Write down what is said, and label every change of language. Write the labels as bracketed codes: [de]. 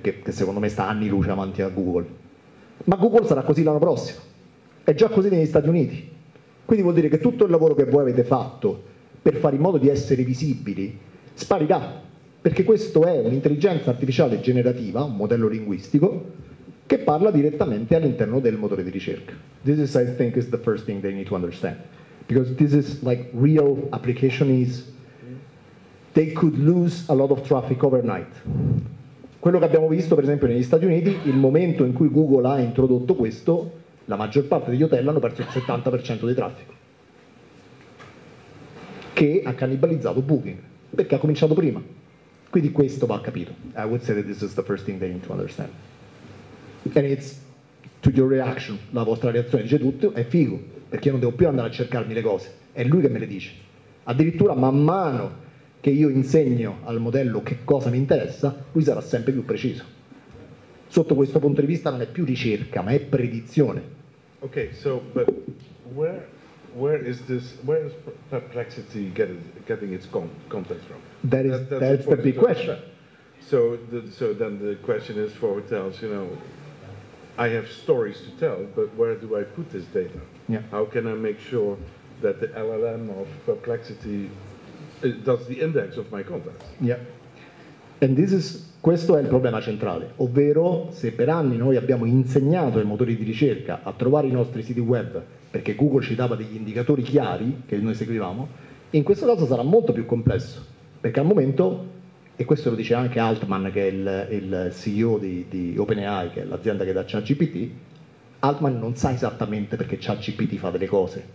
[it] che secondo me sta anni luce avanti a Google. Ma Google sarà così l'anno prossimo, è già così negli Stati Uniti. Quindi vuol dire che tutto il lavoro che voi avete fatto per fare in modo di essere visibili sparirà, perché questo è un'intelligenza artificiale generativa, un modello linguistico, che parla direttamente all'interno del motore di ricerca. [en] This is, I think, is the first thing they need to understand. Because this is like real application is... they could lose a lot of traffic overnight. [it] Quello che abbiamo visto, per esempio, negli Stati Uniti, il momento in cui Google ha introdotto questo, la maggior parte degli hotel hanno perso il 70% di traffico, che ha cannibalizzato Booking, perché ha cominciato prima. Quindi questo va capito. [en] I would say that this is the first thing they need to understand. And it's to your reaction. [it] La vostra reazione dice tutto, è figo, perché io non devo più andare a cercarmi le cose. È lui che me le dice. Addirittura man mano che io insegno al modello che cosa mi interessa, lui sarà sempre più preciso. Sotto questo punto di vista non è più ricerca, ma è predizione. [en] Ok, so, but where is Perplexity getting its content from? That's the big question. So then the question is for hotels, you know, I have stories to tell, but where do I put this data? Yeah. How can I make sure that the LLM of Perplexity does the index of my contacts? Yeah. [it] And questo è il problema centrale, ovvero se per anni noi abbiamo insegnato ai motori di ricerca a trovare i nostri siti web perché Google ci dava degli indicatori chiari che noi seguivamo, in questo caso sarà molto più complesso, perché al momento, e questo lo dice anche Altman, che è il CEO di OpenAI, che è l'azienda che dà ChatGPT, Altman non sa esattamente perché ChatGPT fa delle cose.